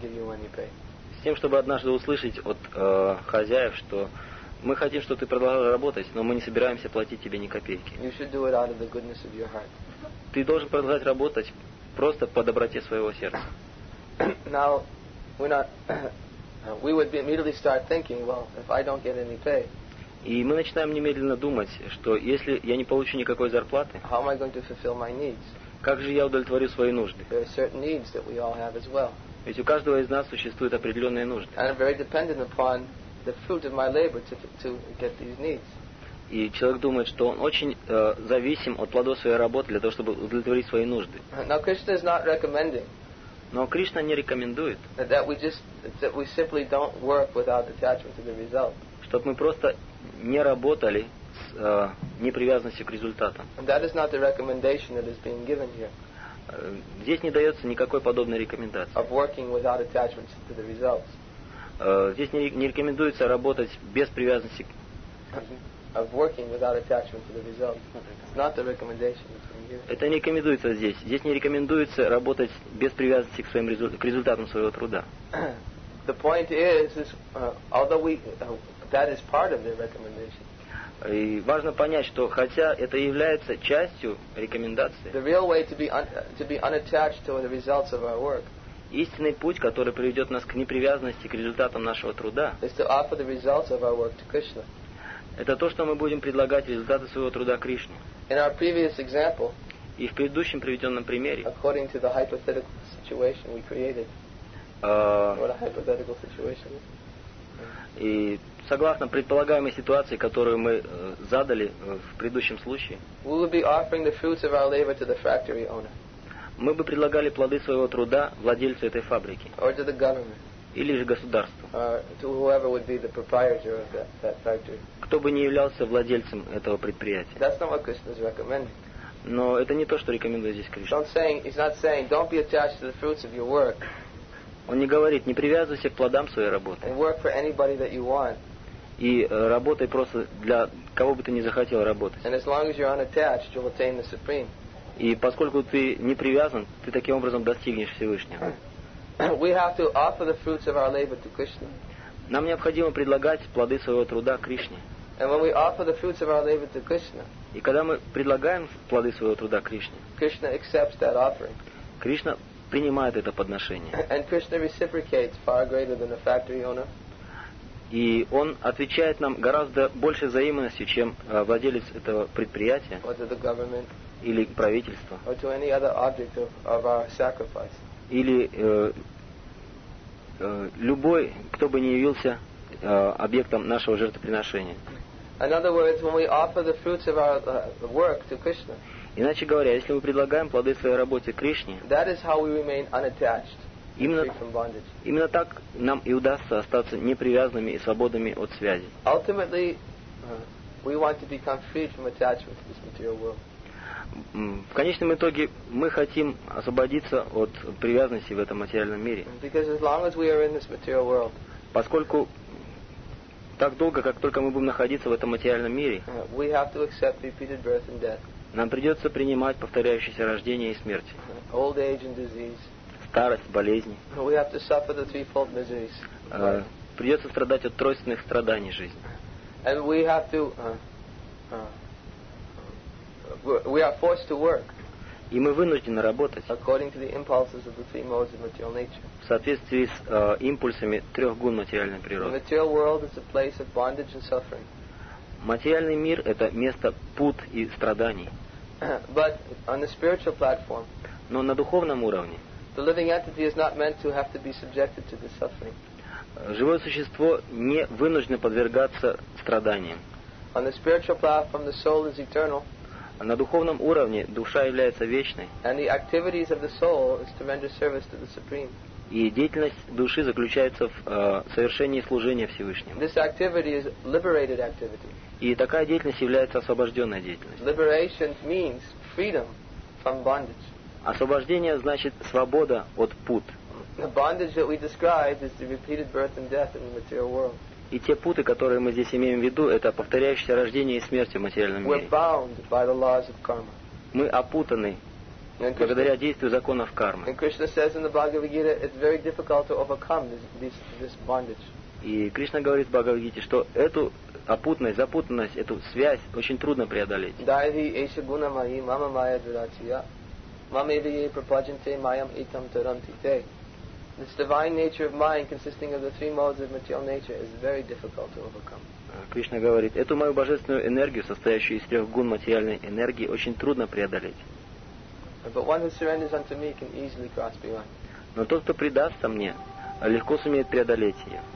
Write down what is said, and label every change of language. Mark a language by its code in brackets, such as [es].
[ru] С тем, чтобы однажды услышать от хозяев, что мы хотим, чтобы ты продолжал работать, но мы не собираемся платить тебе ни копейки. [en] You should do it out of the goodness of your heart. [ru] Ты должен продолжать работать просто по доброте своего сердца. [en] Now, we're not, we would immediately start thinking, well, if I don't get any pay, [ru] и мы начинаем немедленно думать, что если я не получу никакой зарплаты, [en] how am I going to fulfill my needs? [ru] Как же я удовлетворю свои нужды? [en] There are certain needs that we all have as well. [ru] Ведь у каждого из нас существуют определенные нужды. [en] And I'm very dependent upon the fruit of my labor to get these needs. [ru] И человек думает, что он очень зависим от плодов своей работы для того, чтобы удовлетворить свои нужды. [en] Now Krishna is not recommending. [ru] Но Кришна не рекомендует, [en] that we simply don't work without attachment to the result. [ru] Чтобы мы просто не работали с непривязанностью к результатам. [en] That is not the recommendation that is being given here. [ru] Здесь не дается никакой подобной рекомендации. [en] Of working without attachment to the results. [ru] Здесь не рекомендуется работать без привязанности. [en] Of working without attachment to the results. It's not the recommendation that's being given. [ru] Это не рекомендуется здесь. Здесь не рекомендуется работать без привязанности к результатам своего труда. [en] The point is although we that is part of the recommendation. [ru] И важно понять, что хотя это является частью рекомендации, [en] the real way to be unattached to the results of our work, [ru] истинный путь, который приведет нас к непривязанности к результатам нашего труда, [en] is to offer the results of our work to Krishna. [ru] Это то, что мы будем предлагать результаты своего труда Кришне. [en] In our previous example, [ru] и в предыдущем приведенном примере, [en] according to the hypothetical situation we created, what a hypothetical situation. [ru] И согласно предполагаемой ситуации, которую мы задали в предыдущем случае, [en] we would be offering the fruits of our labor to the factory owner. [ru] Мы бы предлагали плоды своего труда владельцу этой фабрики. [en] Or to the government. [ru] Или же государству. [en] To whoever would be the proprietor of that factory. [ru] Кто бы ни являлся владельцем этого предприятия. [en] That's not what Krishna is recommending. [ru] Но это не то, что рекомендует здесь Кришна. [en] He's not saying, don't be attached to the fruits of your work. [ru] Он не говорит, не привязывайся к плодам своей работы. [en] And work for anybody that you want. [ru] И работай просто для кого бы ты ни захотел работать. [en] And as long as you're unattached, you'll attain the supreme. [ru] И поскольку ты не привязан, ты таким образом достигнешь Всевышнего. [en] We have to offer the fruits of our labor to Krishna. [ru] Нам необходимо предлагать плоды своего труда Кришне. [en] And when we offer the fruits of our labor to Krishna, [ru] и когда мы предлагаем плоды своего труда Кришне, [en] Krishna accepts that offering. [ru] Кришна принимает это подношение. [en] And Krishna reciprocates far greater than the factory owner. [ru] И он отвечает нам гораздо больше взаимностью, чем владелец этого предприятия. [en] Or to the government. [ru] Или правительство. [en] Or to any other object of our sacrifice. [ru] Или любой, кто бы ни явился объектом нашего жертвоприношения. [en] In other words, when we offer the fruits of our work to Krishna. [ru] Иначе говоря, если мы предлагаем плоды своей работе Кришне, [en] that is how we remain unattached, free from bondage. [ru] Именно так нам и удастся остаться непривязанными и свободными от связи. [en] Ultimately, we want to become free from attachment to this material world. [ru] В конечном итоге мы хотим освободиться от привязанности в этом материальном мире. [en] Because as long as we are in this material world, [ru] поскольку так долго, как только мы будем находиться в этом материальном мире, [en] we have to accept repeated birth and death. [ru] Нам придется принимать повторяющиеся рождения и смерти. [en] Old age and disease. [ru] Старость, болезни. [en] We have to suffer the threefold miseries. [ru] Придется страдать от тройственных страданий жизни. [en] And we have to, we are forced to work. [ru] И мы вынуждены работать. [en] According to the impulses of the three modes of material nature. [ru] В соответствии с импульсами трех гун материальной природы. [en] The material world is a place of bondage and suffering. [ru] Материальный мир – это место пут и страданий. [en] But on the spiritual platform. [ru] Но на духовном уровне. [en] The living entity is not meant to have to be subjected to this suffering. [ru] Живое существо не вынуждено подвергаться страданиям. [en] On the spiritual platform, the soul is eternal. [ru] На духовном уровне душа является вечной. [en] And the activities of the soul is to render service to the Supreme. [ru] И деятельность души заключается в совершении служения Всевышнему. [en] This activity is liberated activity. [ru] И такая деятельность является освобожденной деятельностью. [en] Liberation means freedom from bondage. [ru] Освобождение значит свобода от пут. [en] The bondage that we described is the repeated birth and death in the material world. [ru] И те путы, которые мы здесь имеем в виду, это повторяющиеся рождение и смерть в материальном мире. [en] We're bound by the laws of karma. [ru] Мы опутаны благодаря действию законов кармы. [en] And Krishna says in the Bhagavad-gita, it's very difficult to overcome this bondage. [ru] И Кришна говорит в Бхагавад-гите, что эту опутность, запутанность, эту связь очень трудно преодолеть. [sa] Дайви эйша гуна майи мама майя дурачия мама ивие пропаджанте майям итам тарантите. [en] This divine nature of mind, consisting of the three modes of material nature, is very difficult to overcome. [ru] Кришна говорит, эту мою божественную энергию, состоящую из трех гун материальной энергии, очень трудно преодолеть. [en] But one who surrenders unto me can easily cross beyond. [ru] Но тот, кто предастся мне, легко сумеет преодолеть ее.